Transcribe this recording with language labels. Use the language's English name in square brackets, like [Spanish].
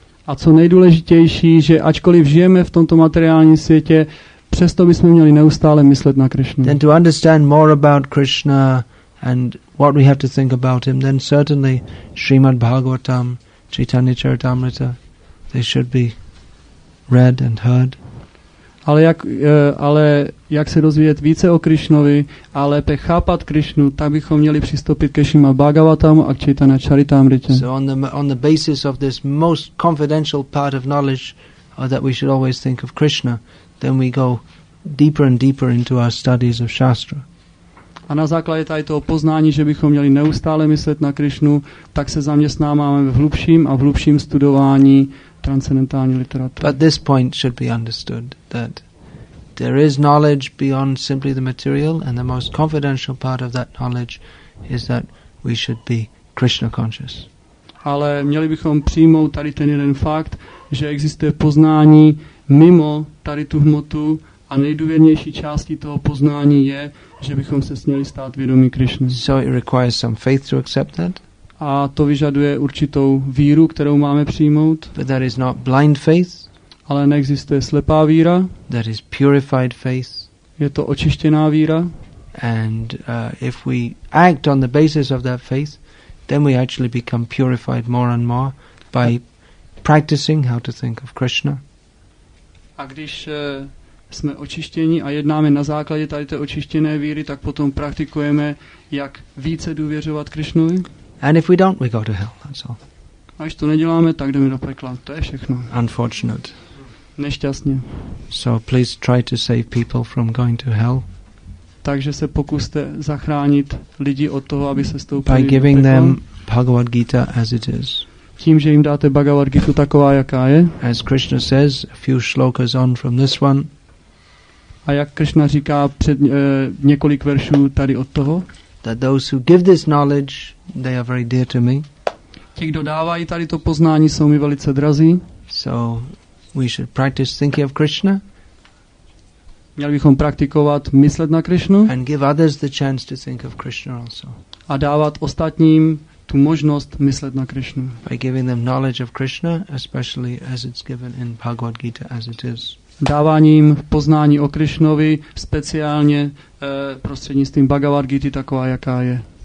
[Czech] A co nejdůležitější, že ačkoliv žijeme v tomto materiálním světě, přesto bychom měli neustále myslet na Krishnu. [English] Then to understand more about Krishna and what we have to think about him, then certainly Srimad Bhagavatam, Chaitanya Charitamrita, they should be read and heard. [Czech] Ale jak se dozvědět více o Krišnovi a lépe chápat Krišnu, tak bychom měli přistoupit ke Šrímad Bhagavatam a k Čaitanya Charitamritě. [English] So on the basis of this most confidential part of knowledge that we should always think of Krishna, then we go deeper and deeper into our studies of Shastra. [Czech] A na základě tady toho poznání, že bychom měli neustále myslet na Krišnu, tak se zaměstnáváme v hlubším a v hlubším studování transcendentální literatury. [English] But this point should be understood, that there is knowledge beyond simply the material, and the most confidential part of that knowledge is that we should be Krishna conscious. [Czech] Ale měli bychom přijmout tady ten jeden fakt, že existuje poznání mimo tady tu hmotu, a nejdůvěrnější částí toho poznání je, že bychom se směli stát vědomí Krišny. [English] So it requires some faith to accept that. [Czech] A to vyžaduje určitou víru, kterou máme přijmout. [English] But that is not blind faith. [Czech] Ale neexistuje slepá víra. [English] That is purified faith. [Czech] Je to očištěná víra. [English] And if we act on the basis of that faith, then we actually become purified more and more by practicing how to think of Krishna. [Czech] A když jsme očištěni a jednáme na základě tady té očištěné víry, tak potom praktikujeme, jak více důvěřovat Krišnovi. [English] And if we don't, we go to hell, that's all. [Czech] A když to neděláme, tak jdeme do pekla. To je všechno. [English] Unfortunate. [Czech] Nešťastně. [English] So please try to save people from going to hell. [Czech] Takže se pokuste zachránit lidi od toho, aby se stoupili do pekla. [English] By giving them Bhagavad Gita as it is. [Czech] Tím, že jim dáte Bhagavad Gita taková, jaká je. [English] As Krishna says, a few shlokas on from this one. [Czech] A jak Krishna říká před několik veršů tady od toho. [English] That those who give this knowledge, they are very dear to me. [Czech] Ti, kdo dávají tady to poznání, jsou mi velice drazí. [English] So we should practice thinking of Krishna. [Czech] Měli bychom praktikovat myslet na Krishnu. [English] And give others the chance to think of Krishna also. [Czech] A dávat ostatním tu možnost myslet na Krishnu. [English] By giving them knowledge of Krishna, especially as it's given in Bhagavad Gita as it is. [Czech] Dáváním poznání o Krišnovi speciálně prostřednictvím Bhagavad Gita taková, jaká je.